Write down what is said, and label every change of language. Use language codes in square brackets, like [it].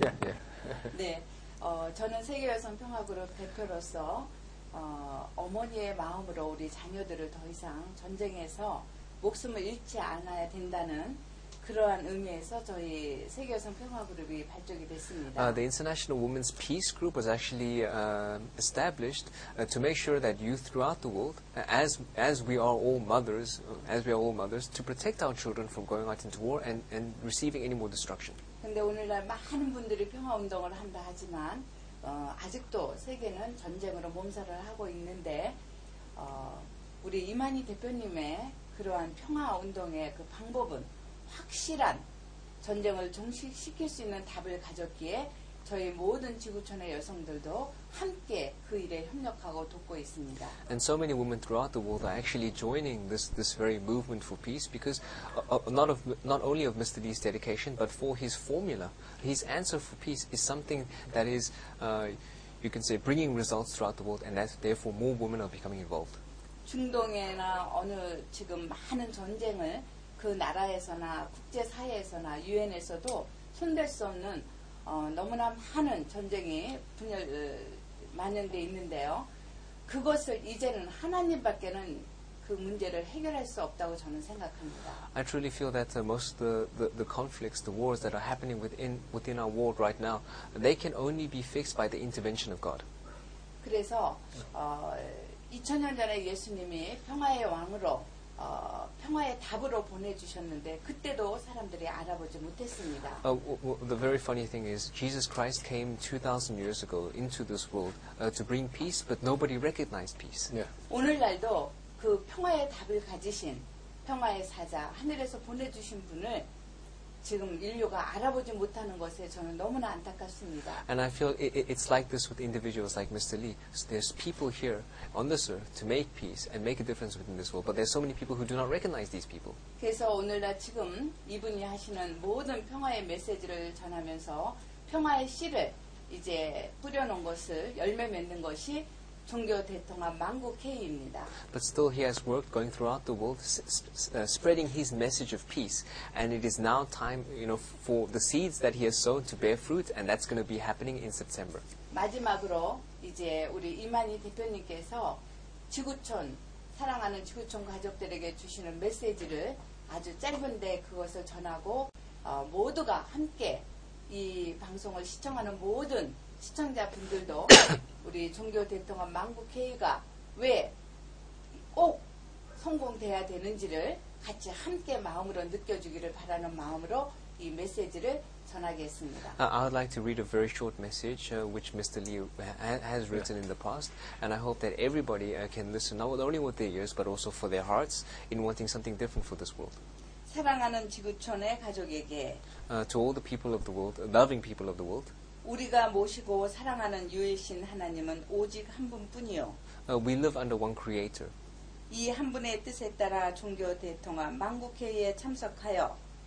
[en] Yeah, yeah. [ko] 네, 저는 세계 여성 평화 그룹 대표로서 어머니의 마음으로 우리 자녀들을 더 이상 전쟁에서 목숨을 잃지 않아야 된다는 그러한 의미에서 저희 세계 여성 평화 그룹이 발족이 됐습니다. [en] The International Women's Peace Group was actually established to make sure that youth throughout the world, as we are all mothers, as we are all mothers, to protect our children from going out into war and receiving any more destruction. [ko] 근데 오늘날 많은 분들이 평화 운동을 한다 하지만 아직도 세계는 전쟁으로 몸살을 하고 있는데 우리 이만희 대표님의 그러한 평화 운동의 그 방법은 확실한 전쟁을 종식시킬 수 있는 답을 가졌기에 저희 모든 지구촌의 여성들도 함께 그 일에 협력하고 돕고 있습니다. [en] And so many women throughout the world are actually joining this very movement for peace because not only of Mr. Lee's dedication, but for his formula, his answer for peace is something that is, you can say, bringing results throughout the world, and that therefore more women are becoming involved. [ko] 중동에나 어느 지금 많은 전쟁을 그 나라에서나 국제 사회에서나 UN에서도 손댈 수 없는 너무나 많은 전쟁이 만연돼 있는데요. 그것을 이제는 하나님밖에는 그 문제를 해결할 수 없다고 저는 생각합니다. [en] I truly feel that most of the conflicts, the wars that are happening within our world right now, they can only be fixed by the intervention of God. [ko] 그래서 2000년 전에 예수님이 평화의 왕으로 평화의 답으로 보내주셨는데 그때도 사람들이 알아보지 못했습니다. [en] The very funny thing is Jesus Christ came 2,000 years ago into this world to bring peace, but nobody recognized peace. Yeah. [ko] 오늘날도 그 평화의 답을 가지신 평화의 사자 하늘에서 보내주신 분을 지금 인류가 알아보지 못하는 것에 저는 너무나 안타깝습니다. [en] And I feel it's like this with individuals like Mr. Lee. So there's people here on this earth to make peace and make a difference within this world, but there's so many people who do not recognize these people. [ko] 그래서 오늘날 지금 이분이 하시는 모든 평화의 메시지를 전하면서 평화의 씨를 이제 뿌려놓은 것을 열매 맺는 것이 종교 대통합 망국 케이입니다. [en] But still he has worked going throughout the world spreading his message of peace and it is now time you know for the seeds that he has sown to bear fruit and that's going to be happening in September. [ko] 마지막으로 이제 우리 이만희 대표님께서 지구촌 사랑하는 지구촌 가족들에게 주시는 메시지를 아주 짧은데 그것을 전하고 모두가 함께 이 방송을 시청하는 모든 시청자분들도 우리 종교 대통합 망국 회의가 왜 꼭 성공돼야 되는지를 같이 함께 마음으로 느껴주기를 바라는 마음으로 이 메시지를 전하겠습니다. [en] I would like to read a very short message which Mr. Lee has written in the past, and I hope that everybody can listen not only with their ears but also for their hearts in wanting something different for this world. [ko] 사랑하는 지구촌의 가족에게. [en] To all the people of the world, loving people of the world. [ko] 우리가 모시고 사랑하는 유일신 하나님은 오직 한 분뿐이요. [en] We live under one Creator. [ko] 이 한 분의 뜻에 따라 종교 대통합 망국 회의에 참석하여.